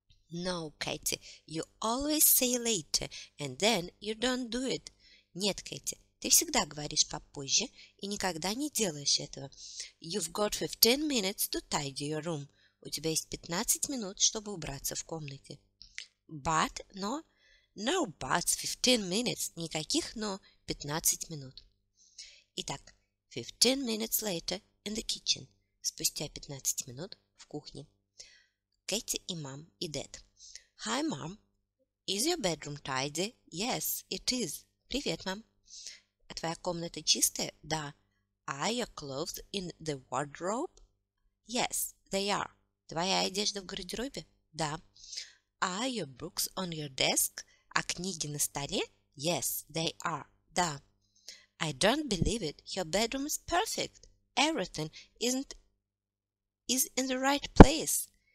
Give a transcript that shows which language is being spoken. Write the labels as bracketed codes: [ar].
[en] No, Katie, you always say later, and then you don't do it. [ru] Нет, Katie, ты всегда говоришь попозже и никогда не делаешь этого. [en] You've got 15 minutes to tidy your room. [ru] У тебя есть 15 минут, чтобы убраться в комнате. [en] But, no, no buts, 15 minutes, [ru] никаких но, 15 минут. Итак, [en] 15 minutes later in the kitchen. [ru] Спустя 15 минут в кухне. Кэти и мам, и дед. [en] Hi, mom. Is your bedroom tidy? Yes, it is. [ru] Привет, мам. А твоя комната чистая? Да. [en] Are your clothes in the wardrobe? Yes, they are. [ru] Твоя одежда в гардеробе? Да. [en] Are your books on your desk? [ru] А книги на столе? [en] Yes, they are. [ru] Да. [en] I don't believe it. Your bedroom is perfect. Everything is in the right place.